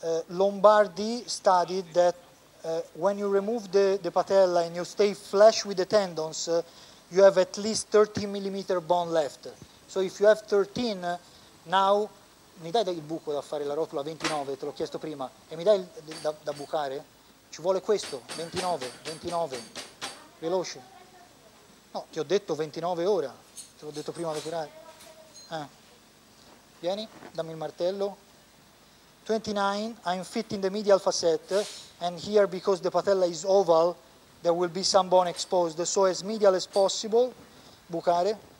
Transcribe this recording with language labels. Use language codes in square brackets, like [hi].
[en] Lombardi studied that when you remove the patella and you stay flush with the tendons, you have at least 13 mm bone left. So if you have 13, now... [it] Mi dai il buco da fare la rotola 29, te l'ho chiesto prima, e mi dai da bucare? Ci vuole questo, 29, veloce. No, ti ho detto 29 ora, te l'ho detto prima da curare. Vieni, dammi il martello. [en] 29, I'm fitting the medial facet, and here because the patella is oval, there will be some bone exposed, so as medial as possible, [it] bucare.